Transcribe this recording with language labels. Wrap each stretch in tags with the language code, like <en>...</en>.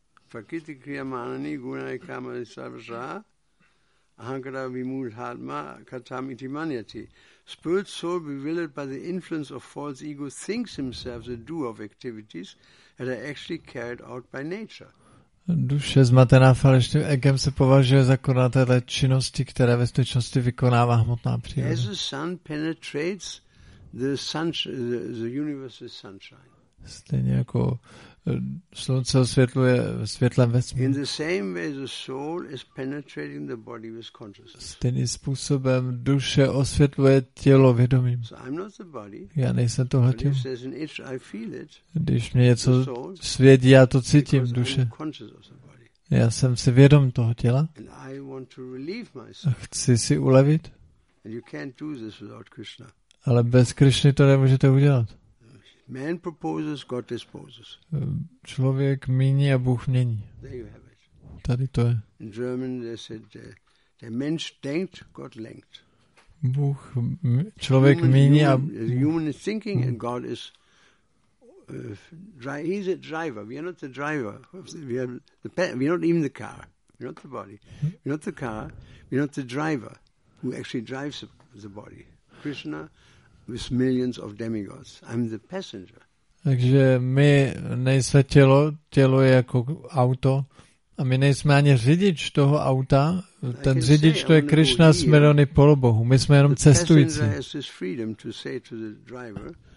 <sa>Prakrta kremani gunai kama sabra. Ahankara vimudhatma katam iti manyati.</sa> <en>Spirit soul bewildered by the influence of false ego thinks himself the doer of activities that are actually carried out by nature.</en> <cs>Duše zmatená falešným egem se považuje za konatele činnosti, které ve skutečnosti vykonává hmotná příroda.</cs> <en>As the sun penetrates the universe's sunshine.</en> <cs>Stejně jako slunce osvětluje světlem vesmíru.</cs> <en>In the same way the soul is penetrating the body with consciousness.</en> <cs>Stejným způsobem duše osvětluje tělo vědomím.</cs> <en>So I'm not the body.</en> <cs>Já nejsem tohle tělo.</cs> <en>But if there's an itch, I feel it.</en> <cs>Když mě něco svědí, já to cítím, duše.</cs> <en>Because I'm conscious of the body.</en> <cs>Já jsem si vědom toho těla.</cs> <en>And I want to relieve myself.</en> <cs>A chci si ulevit.</cs> <en>And you can't do this without Krishna.</en> <cs>Ale bez Krishny to nemůžete udělat.</cs> <en>Man proposes, God disposes.</en> <cs>Člověk míní a Bůh mění.</cs> <en>There you have it.</en> <cs>Tady to je.</cs> <en>In German they said</en> <de>der Mensch denkt, Gott lenkt.</de> <cs>Bůh, člověk míní a</cs> <en>human is thinking and God is he's a driver. We are not the driver. We are not even the car. We are not the body. We are not the car. We are not the driver who actually drives the body. Krishna with millions of demigods. I'm the passenger.</en> <cs>Takže my nejsme tělo, tělo je jako auto a my nejsme ani řidič toho auta. Ten řidič to je Krishna, jsme jenom polobohu. My jsme jenom cestující.</cs> <en>Passenger has this freedom to say to the driver,</en>